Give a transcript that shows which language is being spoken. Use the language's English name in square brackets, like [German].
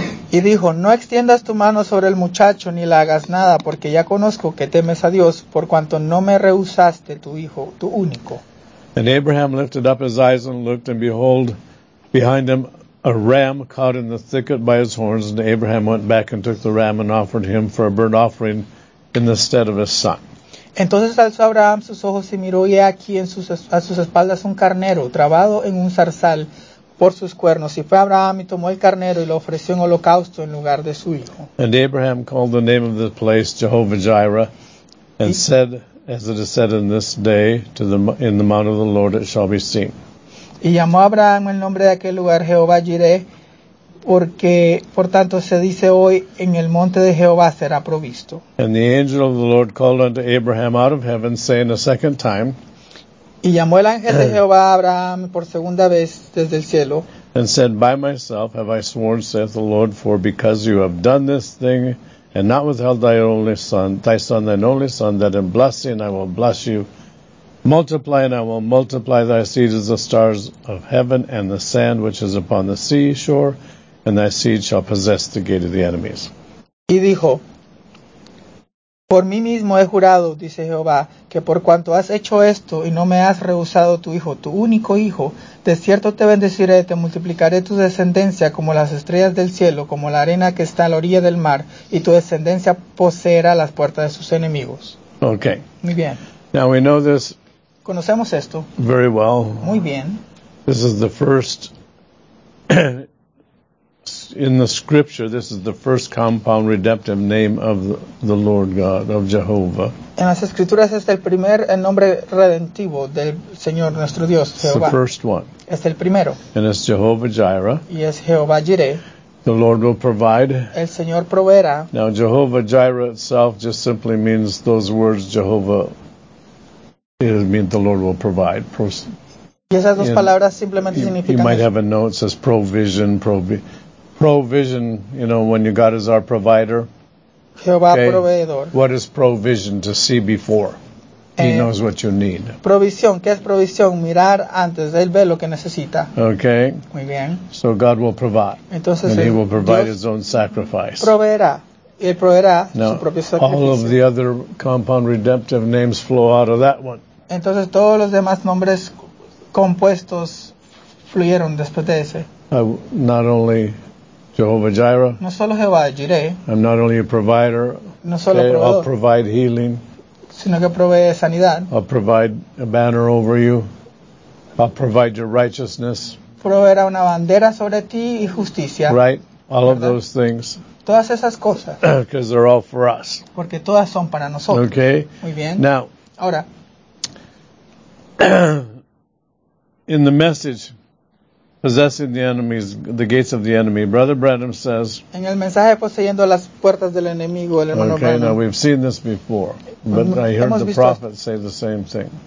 [Spanish] Y dijo, no extiendas tu mano sobre el muchacho, ni la hagas nada, porque ya conozco que temes a Dios, por cuanto no me rehusaste tu hijo, tu único. [English] And Abraham lifted up his eyes and looked, and behold, behind him a ram caught in the thicket by his horns. And Abraham went back and took the ram and offered him for a burnt offering in the stead of his son. [Spanish] Entonces alzó Abraham sus ojos y miró, y aquí a sus espaldas un carnero, trabado en un zarzal, por sus cuernos. Y fue Abraham y tomó el carnero y lo ofreció en holocausto en lugar de su hijo. [English] And Abraham called the name of the place Jehovah Jireh, and said, as it is said in this day, in the mount of the Lord it shall be seen. [Spanish] Y llamó Abraham el nombre de aquel lugar Jehová Jireh, porque por tanto se dice hoy en el monte de Jehová será provisto. [English] And the angel of the Lord called unto Abraham out of heaven, saying a second time, [Spanish] y llamó el ángel de Jehová a Abraham por segunda vez desde el cielo. [English] And said, by myself have I sworn, saith the Lord, for because you have done this thing, and not withheld thine only son, that in blessing I will bless you, multiply, and I will multiply thy seed as the stars of heaven, and the sand which is upon the seashore, and thy seed shall possess the gate of the enemies. [Spanish] Y dijo, Por mí mismo he jurado, dice Jehová, que por cuanto has hecho esto y no me has rehusado tu hijo, tu único hijo, de cierto te bendeciré, te multiplicaré tu descendencia como las estrellas del cielo, como la arena que está a la orilla del mar, y tu descendencia poseerá las puertas de sus enemigos. [English] Okay. [Spanish] Muy bien. [English] Now we know this. [Spanish] Conocemos esto. [English] Very well. [Spanish] Muy bien. [English] This is the first in the scripture, this is the first compound redemptive name of the Lord God, of Jehovah. [Spanish] En las escrituras es el primer nombre redentivo del Señor nuestro Dios, Jehová. [English] It's the first one. [Spanish] Es el primero. [English] And it's Jehovah Jireh. [Spanish] Y es Jehová Jireh. [English] The Lord will provide. [Spanish] El Señor proveerá. [English] Now Jehovah Jireh itself just simply means those words, Jehovah, it means the Lord will provide. [Spanish] Y esas dos palabras simplemente significan. [English] You might have a note that says provision, provision, you know, when God is our provider. [Spanish] Jehová proveedor. [English] What is provision? To see before. He knows what you need. [Spanish] Provisión. ¿Qué es provisión? Mirar antes. Él ve lo que necesita. [English] Okay. [Spanish] Muy bien. [English] So God will provide. [Spanish] Entonces, [English] and he will provide his own sacrifice. [Spanish] Proveerá. Él proveerá su propio sacrificio. [English] All of the other compound redemptive names flow out of that one. [Spanish] Entonces todos los demás nombres compuestos fluyeron después de ese. [English] Not only Jehovah Jireh. [Spanish] No solo Jehová Jireh. [English] I'm not only a provider. [Spanish] No solo [English] okay, [Spanish] proveedor. [English] I'll provide healing. [Spanish] Sino que provee sanidad. [English] I'll provide a banner over you. I'll provide your righteousness. [Spanish] Proveerá una bandera sobre ti y justicia. [English] Right. All [Spanish] ¿verdad? [English] Of those things. [Spanish] Todas esas cosas. [English] Because they're all for us. [Spanish] Porque todas son para nosotros. [English] Okay. [Spanish] Muy bien. [English] Now. [Spanish] Ahora. [English] In the message. Possessing the enemies, the gates of the enemy. Brother Branham says. [Spanish] En el mensaje poseyendo las puertas del enemigo, el hermano [English] okay, [Spanish] Branham. [English] Now we've seen this before, but I heard the prophet say the same thing.